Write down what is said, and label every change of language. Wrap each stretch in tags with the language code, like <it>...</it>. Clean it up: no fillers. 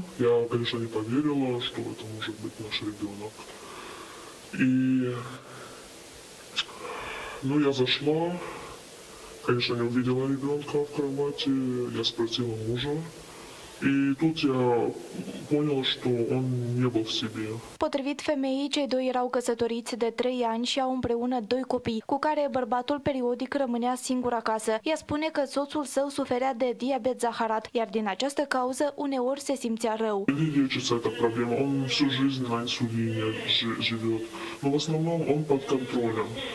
<ru>Я, конечно, не поверила, что это может быть наш ребенок. И, ну, я зашла, конечно, не увидела ребенка в кровати. Я спросила мужа. И тут я поняла, что он не был в себе.</ru> <ro>Potrivit femeii, cei doi erau căsătoriți de 3 ani și au împreună 2 copii, cu care bărbatul periodic rămânea singur acasă. Ea spune că soțul său suferea de diabet zaharat, iar din această cauză uneori se simțea rău. Nu există această problemă.</ro> <ru>Он всю жизнь на инсулине живет. Но в основном он под контролем.</ru>